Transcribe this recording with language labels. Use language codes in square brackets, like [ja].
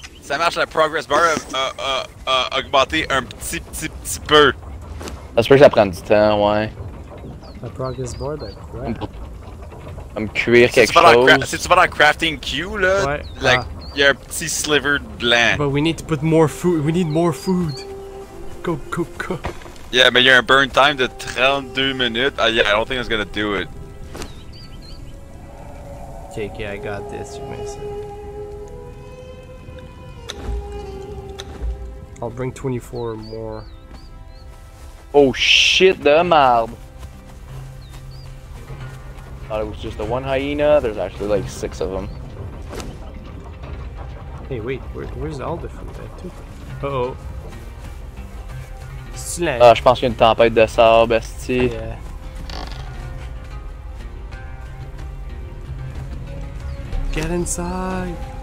[fr] Ça marche, la progress bar a augmenté un petit peu. Ça se peut que ça prenne du temps, ouais. La progress bar, ben quoi? Me cuire quelque chose. C'est-tu pas dans crafting queue, là? Ouais. [en] Like, [fr] Il y a un petit sliver de blanc. [en] But we need to put more food. We need more food. Go, go, go. Yeah, but you're a burn time to 32 minutes. Yeah, I don't think it's gonna do it. JK, I got this. You may say. I'll bring 24 or more. Oh shit, the mob. Thought it was just the one hyena. There's actually like six of them. Hey, wait, where's all the food at, too? Uh-oh. [fr] Ah, je pense qu'il y a une tempête de sable, bestie. [en] Yeah. Get inside!